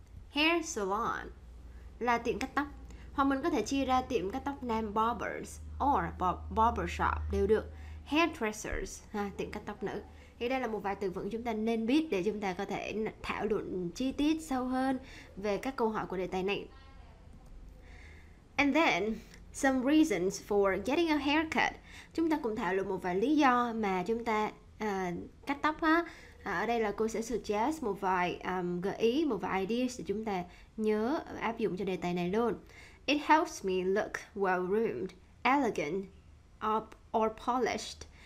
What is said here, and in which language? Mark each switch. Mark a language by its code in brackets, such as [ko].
[vi] Hair salon là tiệm cắt tóc. Hoặc mình có thể chia ra tiệm cắt tóc nam [en] barbers or barbershop [vi] đều được. Hairdressers, tiệm cắt tóc nữ. Thì đây là một vài từ vựng chúng ta nên biết để chúng ta có thể thảo luận chi tiết sâu hơn về các câu hỏi của đề tài này. [en] And then, some reasons for getting a haircut. [vi] Chúng ta cùng thảo luận một vài lý do mà chúng ta cắt tóc ha. Ở đây là cô sẽ suggest một vài gợi ý, một vài ideas để chúng ta nhớ áp dụng cho đề tài này luôn. [en] It helps me look well-groomed, elegant, or polished.